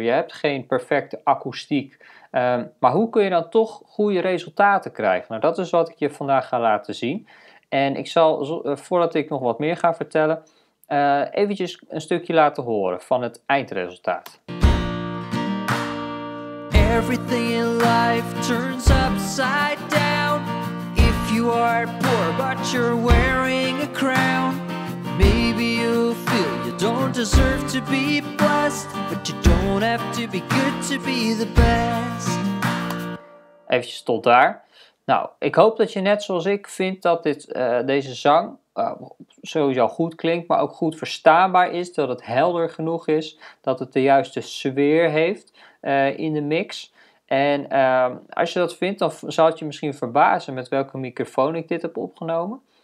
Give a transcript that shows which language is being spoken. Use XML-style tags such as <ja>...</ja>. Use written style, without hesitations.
<nl>Je hebt geen perfecte akoestiek. Maar hoe kun je dan toch goede resultaten krijgen? Nou, dat is wat ik je vandaag ga laten zien. En ik zal, voordat ik nog wat meer ga vertellen, eventjes een stukje laten horen van het eindresultaat.</nl> <en>Everything in life turns upside down. If you are poor but you're wearing a crown, maybe you feel you don't deserve to be blessed, but you don't have to be good to be the best.</en> <nl>Eventjes tot daar. Nou, ik hoop dat je net zoals ik vindt dat deze zang sowieso goed klinkt, maar ook goed verstaanbaar is, dat het helder genoeg is, dat het de juiste sfeer heeft in de mix. En als je dat vindt, dan zal het je misschien verbazen met welke microfoon ik dit heb opgenomen.</nl>